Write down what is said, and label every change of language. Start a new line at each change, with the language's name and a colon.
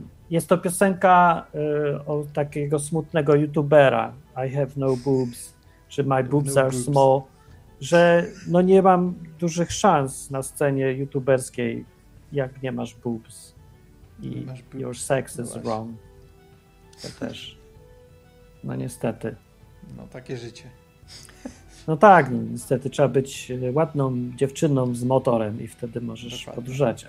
Polish: Jest to piosenka o takiego smutnego youtubera.
English: I have no boobs,
Polish: czy
English: my boobs are small.
Polish: Że no nie mam dużych szans na scenie youtuberskiej, jak nie masz boobs.
English: I your sex is wrong.
Polish: To też. No niestety. No takie życie. No tak, niestety trzeba być ładną dziewczyną z motorem i wtedy możesz podróżować.